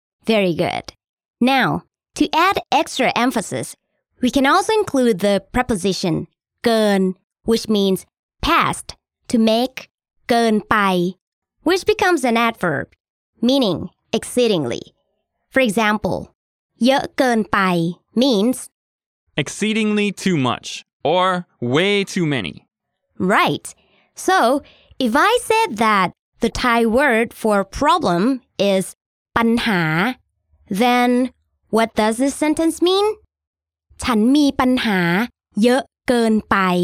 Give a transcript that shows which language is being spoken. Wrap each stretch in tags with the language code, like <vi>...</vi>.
<en>Very good. Now, to add extra emphasis, we can also include the preposition geun, which means past, to make</en> <th>เกินไป,</th> <en>which becomes an adverb, meaning exceedingly. For example,</en> <th>เยอะเกินไป</th> <en>means exceedingly too much or way too many. Right. So, if I said that the Thai word for problem is ปัญหา, then what does this sentence mean?</en> <th>ฉันมีปัญหาเยอะเกินไป.</th>